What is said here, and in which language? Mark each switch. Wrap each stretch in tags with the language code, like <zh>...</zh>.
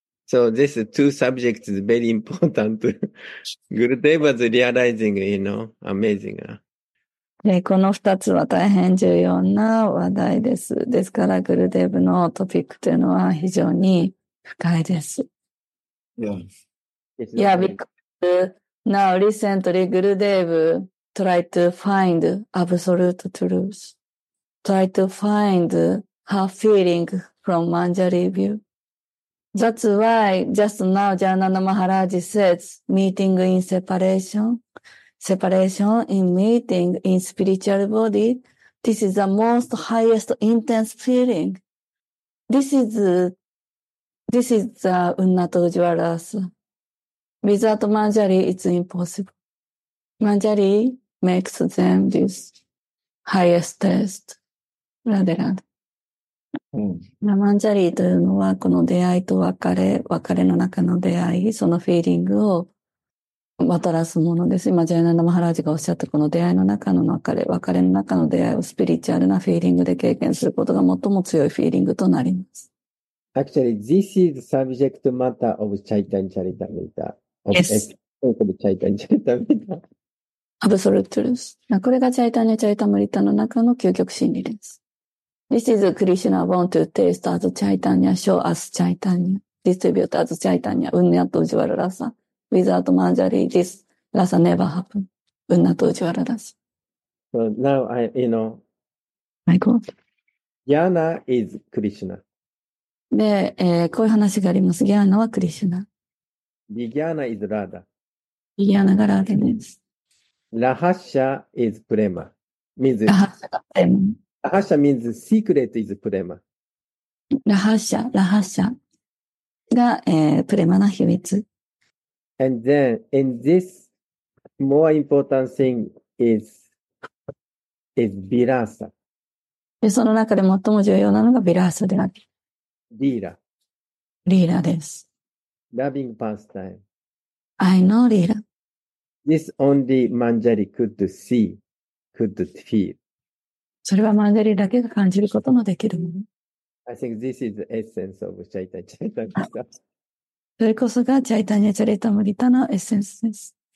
<en>So this two subjects is very important. Gurudev was realizing, you know, amazing.</en> <ja>で、この二つは大変重要な話題です。ですから、グルデブのトピックというのは非常に深いです。</ja> <en>Yes. Yeah, because now recently, Gurudev,try to find absolute truth. Try to find her feeling from Manjari view. That's why just now Jnana Maharaj says meeting in separation, separation in meeting in spiritual body. This is the most highest intense feeling. This is the Unnata Ujjvalasa. Without Manjari, it's impossible. Manjari,makes them this highest test. ラデラデ。</en> <ja>ラマンジャリーというのは、この出会いと別れ、別れの中の出会い、そのフィーリングをもたらすものです。今、ジャイナンダ・マハラージがおっしゃった、この出会いの中の別れ、別れの中の出会いをスピリチュアルなフィーリングで経験することが最も強いフィーリングとなります。</ja> <en>Actually, this is the subject matter of Chaitanya Charitamrita. Yes. Of Chaitanya Charitamrita. Absolute truth.</en> <ja>これがチャイタニャ・チャイタムリタの中の究極真理です。</ja> <en>This is Krishna born to taste as Chaitanya, show as Chaitanya, distribute as Chaitanya, Unnata Ujjvala Rasa. Without Manjari, this Rasa never happened. Unnata Ujjvala Rasa. So now I, you know. My God. Jnana is Krishna.</en> <ja>で、こういう話があります。 Jnana は Krishna.</ja> <en>Vijnana is Radha.</en> <ja>Vijnana が Radha です。</ja> <en>Rahasya is prema. Means Rahasya means secret is prema.</en> <ja>Rahasya が、prema の秘密。</ja> <en>And then, in this, more important thing is virasa.</en> <ja>で、その中で最も重要なのがビラースであり。リーラ。リーラです。</ja> <en>Loving pastime. I know リーラ。 This only Manjari could see, could feel.</en> <ja>それはマンジャリだけが感じることのできるもの。</ja> <en>I think this is the essence of Chaitanya Charitamrita.</en> <ja>それこそがチャイタニャチャリタムリタのエッセンスです。</ja>